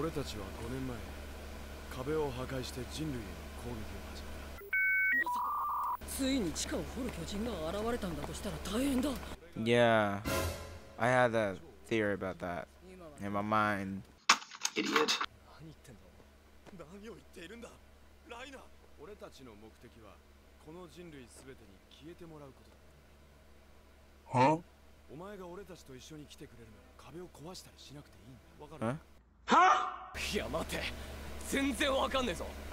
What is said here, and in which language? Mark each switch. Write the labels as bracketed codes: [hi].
[ja] 俺たちは5年前、壁を破壊して人類への攻撃を始めた。まさか、ついに地下を掘る巨人が現れたんだとしたら大変だ。 [en] Yeah, I had a theory about that in my mind. Idiot. [ja] 何言ってんだ。何を言っているんだ、ライナー。俺たちの目的は、この人類すべてに消えてもらうことだ。は？お前が俺たちと一緒に来てくれるなら壁を壊したりしなくていいんだ。わかる？は？いや待て、全然わかんねえぞ。